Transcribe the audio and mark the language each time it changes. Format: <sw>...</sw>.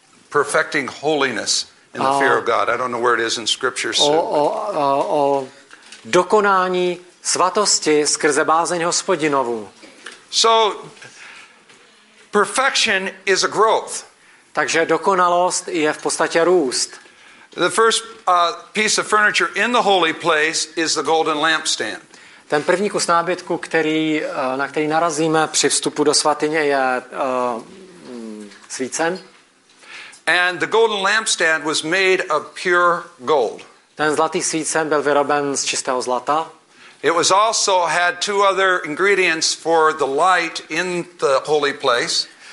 <en>perfecting holiness in the fear of God. I don't know where it is in scripture.</en> <cs>O dokonání svatosti skrze bázeň Hospodinovu.</cs> <en>So perfection is a growth.</en> <cs>Takže dokonalost je v podstatě růst.</cs> <en>The first piece of furniture in the holy place is the golden lampstand.</en> <cs>Ten první kus nábytku, na který narazíme při vstupu do svatyně, je svícen.</cs> <en>And the golden lampstand was made of pure gold.</en> <cs>Ten zlatý svícen byl vyroben z čistého zlata.</cs> <en>It was also had two other ingredients for the light in the holy place.</en>